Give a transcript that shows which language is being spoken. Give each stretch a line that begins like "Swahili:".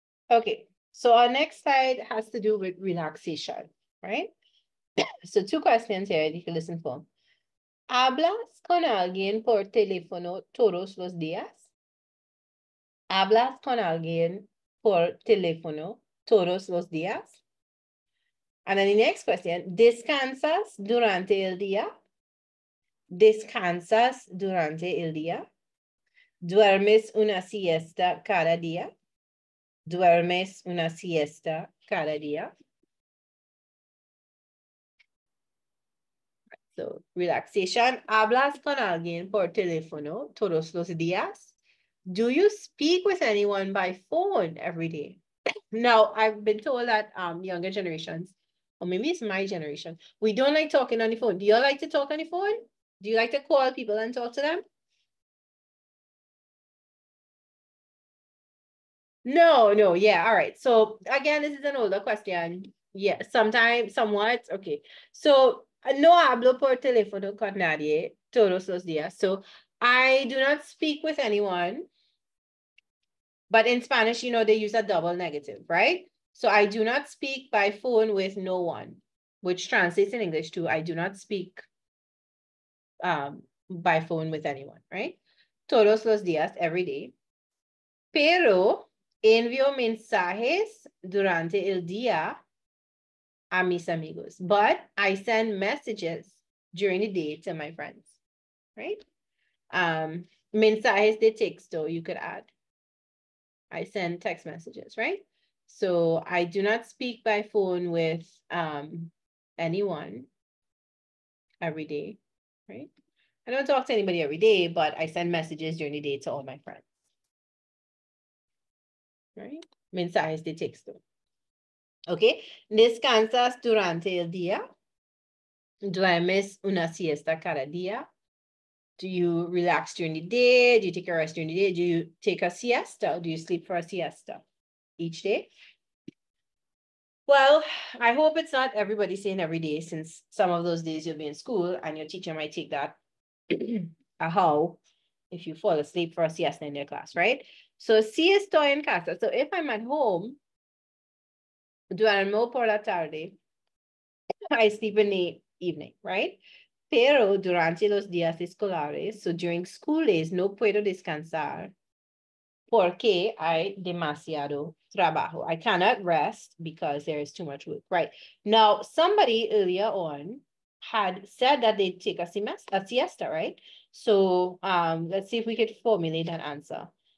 English: Okay, so our next slide has to do with relaxation, right? So two questions here you can listen for.
Spanish: ¿Hablas con alguien por teléfono todos los días? ¿Hablas con alguien por teléfono todos los días?
English: And then the next question,
Spanish: ¿descansas durante el día? ¿Descansas durante el día? ¿Duermes una siesta cada día? ¿Duermes una siesta cada día?
English: So, relaxation.
Spanish: ¿Hablas con alguien por teléfono todos los días?
English: ¿Do you speak with anyone by phone every day? Now, I've been told that younger generations, or maybe it's my generation, we don't like talking on the phone. Do you like to talk on the phone? Do you like to call people and talk to them? No, yeah, all right. So again, this is an older question. Yeah, sometimes, somewhat. Okay.
Spanish: So no hablo por teléfono con nadie todos los días.
English: So I do not speak with anyone. But in Spanish, you know, they use a double negative, right? So I do not speak by phone with no one, which translates in English to I do not speak by phone with anyone, right?
Spanish: Todos los días,
English: every day.
Spanish: Pero envío mensajes durante el día a mis amigos,
English: but I send messages during the day to my friends, right?
Spanish: Mensajes de texto,
English: you could add. I send text messages, right? So I do not speak by phone with anyone every day, right? I don't talk to anybody every day, but I send messages during the day to all my friends.
Spanish: Right? Mensajes de texto. Okay. ¿Descansas durante el día? ¿Duermes una siesta cada día?
English: Do you relax during the day? Do you take a rest during the day? Do you take a siesta? Do you sleep for a siesta each day? Well, I hope it's not everybody saying every day, since some of those days you'll be in school and your teacher might take that a how if you fall asleep for a siesta in your class, right? So siesta
Spanish: en casa.
English: So if I'm at home,
Spanish: duermo por la tarde,
English: I sleep in the evening, right?
Spanish: Pero durante los días escolares,
English: so during school days,
Spanish: no puedo descansar porque hay demasiado trabajo.
English: I cannot rest because there is too much work, right? Now, somebody earlier on had said that they take a semester, a siesta, right? So let's see if we could formulate an answer.